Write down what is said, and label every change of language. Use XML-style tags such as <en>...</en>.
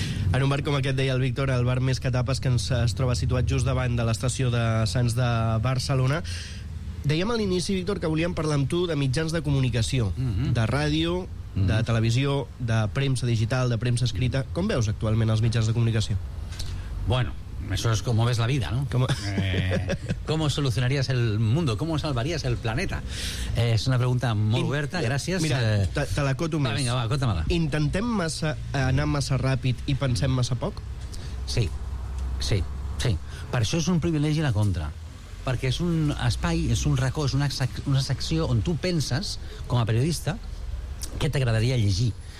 <ca>En un bar com aquest, deia el Víctor, el bar més que tapes, que ens es troba situat just davant de l'estació de Sants de Barcelona, dèiem a l'inici, Víctor, que volíem parlar amb tu de mitjans de comunicació, de ràdio, de televisió, de premsa digital, de premsa escrita. Com veus actualment els mitjans de comunicació?</ca> <es>Bueno, eso es como ves la vida, ¿no? ¿Cómo solucionarías el mundo? ¿Cómo salvarías el planeta?</es> <ca>Es una pregunta molt oberta, gràcies. Mira, te la coto més. Vinga, va, cota-me-la. Intentem massa anar massa ràpid i pensem massa poc? Sí, sí, sí. Per això és un privilegi La Contra. Perquè és un espai, és un racó, és una secció on tu penses, com a periodista, què t'agradaria llegir.</ca>